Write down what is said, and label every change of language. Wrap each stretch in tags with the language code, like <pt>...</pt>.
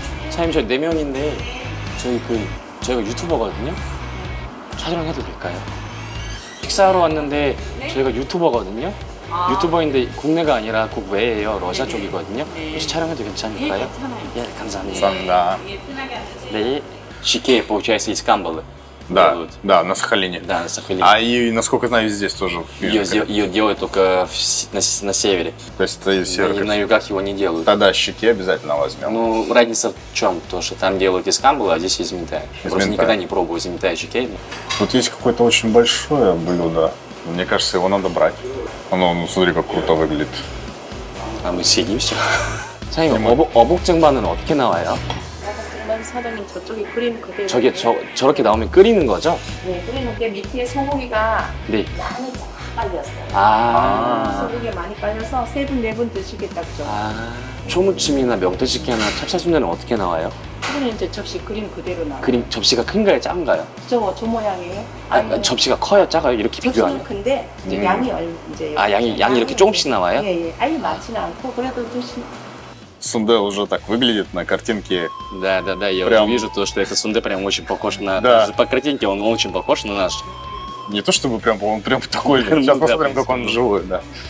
<ko>차임, 저희 네 명인데 저희 그 저희가 유튜버거든요. 촬영 해도 될까요? 식사하러 왔는데 네? 저희가 유튜버거든요. 아. 유튜버인데 국내가 아니라 국외예요. 러시아 쪽이거든요. 네. 혹시 촬영해도 괜찮을까요? 네, 괜찮아요. 예, 감사합니다. 감사합니다. 네.</ko> <ru>시케 получается из Камбалы. Да, вот. Да, на Сахалине. Да, на Сахалине. А и насколько знаю, здесь тоже. Ее делают только на севере. То есть это север. На югах его не делают. Тогда щеки обязательно возьмем. Ну, разница в чем? То, что там делают из камбала, а здесь из минтая. Просто никогда не пробовал из минтая щеки. Тут есть какое-то очень большое блюдо. Мне кажется, его надо брать. Оно, ну, смотри, как круто выглядит. А мы съедим все. Саня, обукчангбанын оттеке навая?</ru> <ko>사장님 저쪽에 그림 그대로 저게 저 저렇게 나오면 끓이는 거죠? 네, 끓이는 게 밑에 소고기가 네. 많이 빨렸어요. 아. 소고기 많이 빨려서 세 분 네 분 드시게 딱 좀. 아. 초무침이나 명태찌개나 찹쌀순대는 어떻게 나와요? 그러면 이제 접시 그림 그대로 나와요. 그림 접시가 큰가요, 작은가요? 저거 저 모양이에요. 아니, 아, 접시가 커요, 작아요? 이렇게 비교하면. 접시는 큰데 이제 양이 이제 아, 양이 이렇게 조금씩 나와요? 예, 예. 아예 많지는 않고 그래도 조금씩</ko> <ru>Сунде уже так выглядит на картинке. Да, да, да, я прям... уже вижу то, что этот сунде прям очень похож на... Да. По картинке он очень похож на наш. Не то чтобы прям, он прям такой, сейчас посмотрим, как он вживую, да.</ru>